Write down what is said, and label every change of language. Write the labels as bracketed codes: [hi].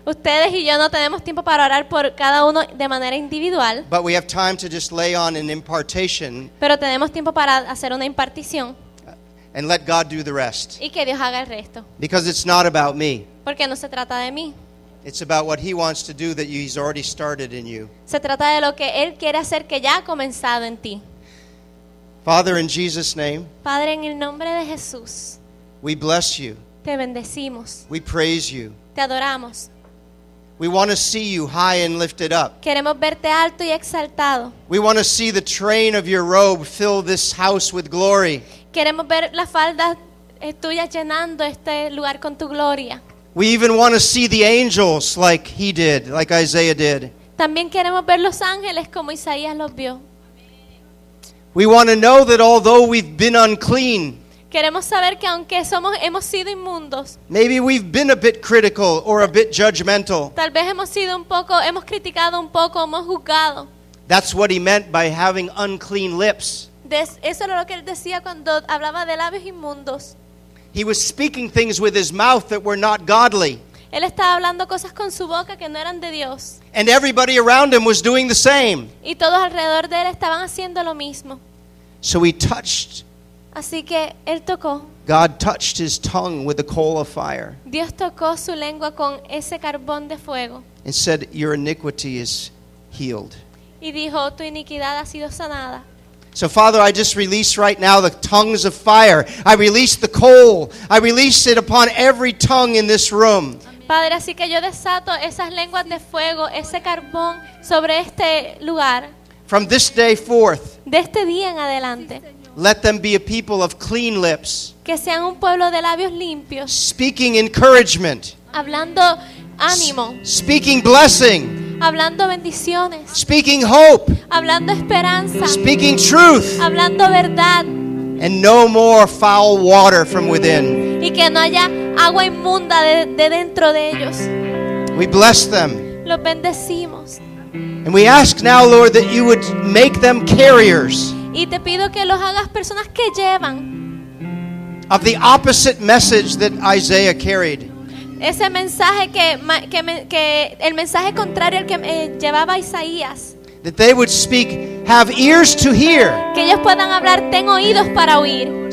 [es] Ustedes y yo no tenemos tiempo para orar por cada uno de manera individual. [en] But we have time to just lay on an impartation. [es] Pero tenemos tiempo para hacer una impartición. [en] And let God do the rest. [es] Y que Dios haga el resto. [en] Because it's not about me. [es] Porque no se trata de mí. [en] It's about what He wants to do that He's already started in you. [es] Se trata de lo que Él quiere hacer que ya ha comenzado en ti. [en] Father, in Jesus' name. [es] Padre, en el nombre de Jesús. [en] We bless you. [es] Te bendecimos. [en] We praise you. [es] Te adoramos. [en] We want to see you high and lifted up. [es] Queremos verte alto y exaltado. [en] We want to see the train of your robe fill this house with glory. [es] Queremos ver las faldas tuyas llenando este lugar con tu gloria. [en] We even want to see the angels like he did, like Isaiah did. [es] También queremos ver los ángeles como Isaías los vio. [en] We want to know that although we've been unclean, [es] queremos saber que aunque hemos sido inmundos, [en] maybe we've been a bit critical or a bit judgmental. [es] Tal vez hemos criticado un poco, hemos juzgado. [en] That's what he meant by having unclean lips. [es] Eso era lo que él decía cuando hablaba de labios inmundos. [en] He was speaking things with his mouth that were not godly. [es] Él estaba hablando cosas con su boca que no eran de Dios. [en] And everybody around him was doing the same. [es] Y todos alrededor de él estaban haciendo lo mismo. [en] So he touched. [es] Así que él tocó. [en] God touched his tongue with a coal of fire. [es] Dios tocó su lengua con ese carbón de fuego. [en] And said, "Your iniquity is healed." [es] Y dijo, "Tu iniquidad ha sido sanada." [en] So Father, I just release right now the tongues of fire. I release the coal. I release it upon every tongue in this room. [es] Padre, así que yo desato esas lenguas de fuego, ese carbón sobre este lugar. [en] From this day forth. [es] De este día en adelante. [en] Let them be a people of clean lips. [es] Que sean un pueblo de labios limpios. [en] Speaking encouragement. [es] Hablando ánimo. [en] Speaking blessing. [es] Hablando bendiciones. [en] Speaking hope. [es] Hablando esperanza. [en] Speaking truth. [es] Hablando verdad. [en] And no more foul water from within. [es] Y que no haya agua inmunda de dentro de ellos. [en] We bless them. [es] Los bendecimos. [en] And we ask now, Lord, that you would make them carriers. [es] Y te pido que los hagas personas que llevan. [en] Of the opposite message that Isaiah carried. [es] Ese mensaje que el mensaje contrario al que llevaba Isaías. [en] That they would speak, have ears to hear. [es] Que ellos puedan hablar, ten oídos para oír.